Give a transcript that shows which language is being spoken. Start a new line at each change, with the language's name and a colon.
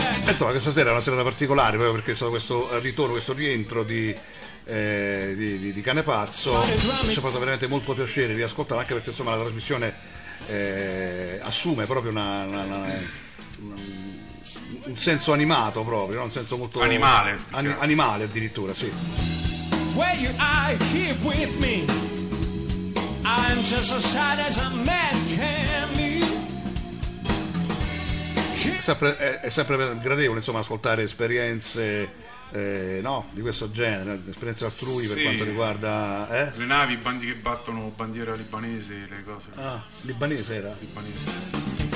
Italian: Insomma, questa sera è una serata particolare, proprio perché è stato questo ritorno, questo rientro di Cane Pazzo. Ci ha fatto veramente molto piacere riascoltare, anche perché, insomma, la trasmissione assume proprio un senso animato, proprio, no? Un senso molto animale, animale addirittura, sì.
English: Where you are here with me, I'm just as sad as a man can be.
Italian: È sempre gradevole, insomma, ascoltare esperienze no, di questo genere, esperienze altrui, sì, per quanto riguarda le navi, i bandi che battono bandiera libanese, le cose. Ah, libanese era? Libanese.